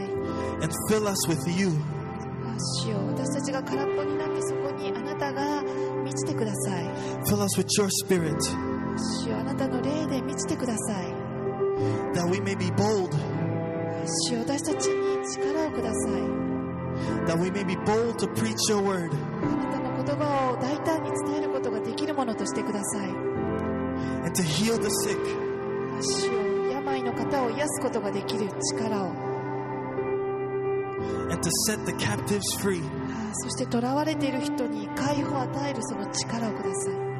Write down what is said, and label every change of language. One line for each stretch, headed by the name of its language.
English: And fill us with you.
Japanese: 主よ、私たちが空っぽになってそこにあなたが満ちてください。
English: Fill us with your spirit.
Japanese: 主よ、あなたの霊で満ちてください。
English: That we may be bold.
Japanese: 主よ、私たちに力をください。
English: That we may be bold to preach your word.
Japanese: 言葉を大胆に伝えることができるものとしてください。
English: And to heal the sick.
Japanese: 足を病の方を癒すことができる力を。
English: And to set the captives free.
Japanese: そして囚われている人に解放を与えるその力をください。